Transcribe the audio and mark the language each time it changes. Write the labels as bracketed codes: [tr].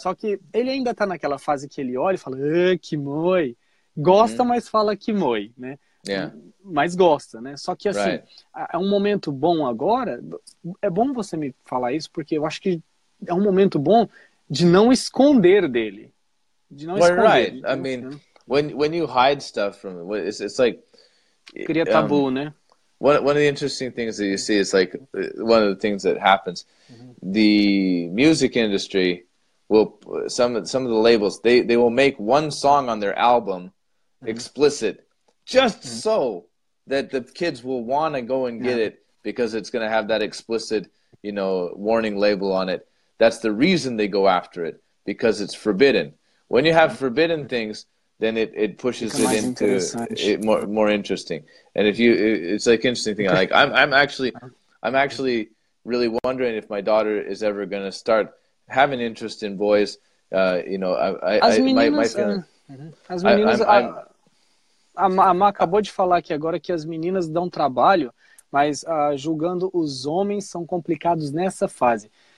[pt] Só que ele ainda tá naquela fase que ele olha e fala, que moi. Gosta, mm-hmm. mas fala que moi, né? [en] Yeah. [pt] Mas gosta, né? Só que, assim, right. é um momento bom agora. É bom você me falar isso, porque eu acho que é um momento bom de não esconder dele. De não esconder. [en] Right. I mean, when you hide stuff from it, it's like. [pt] Cria tabu, né? [en] One of the interesting things that you see is like one of the things that happens. Mm-hmm. The music industry will some of the labels they will make one song on their album mm-hmm. explicit, just mm-hmm. so that the kids will want to go and get yeah. it because it's going to have that explicit, you know, warning label on it. That's the reason they go after it, because it's forbidden. When you have forbidden things, then it pushes it into it more interesting. And if you, it's like interesting thing. Like I'm actually really wondering if my daughter is ever going to start having interest in boys. You know, [pt] A Má acabou de falar aqui agora que as meninas dão trabalho, mas julgando os homens são complicados nessa fase.